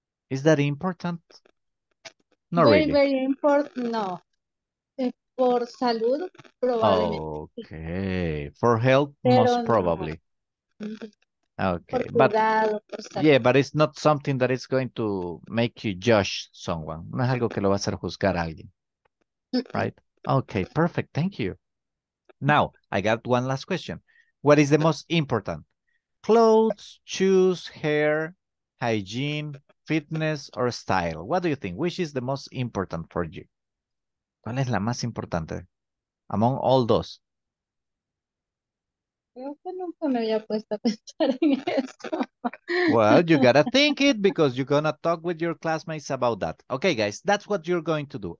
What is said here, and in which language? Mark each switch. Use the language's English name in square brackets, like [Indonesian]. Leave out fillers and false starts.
[English] Is that important? Not very, really. Very important, [Spanish] no. Por salud, probablemente. [English] Okay. For health, [Spanish] pero [English] most no. Probably. Okay. [Spanish] Por cuidado, por salud. [English] Yeah, but it's not something that is going to make you judge someone. [Spanish] No es algo que lo va a hacer juzgar a alguien. [English] Right? Okay, perfect. Thank you. Now, I got one last question. What is the most important? Clothes, shoes, hair, hygiene, fitness, or style? What do you think? Which is the most important for you? [Spanish] ¿Cuál es la más importante? [English] Among all those. [Spanish] Creo que nunca me había puesto a pensar en eso. [English] Well, you gotta think it because you're gonna talk with your classmates about that. Okay, guys, that's what you're going to do.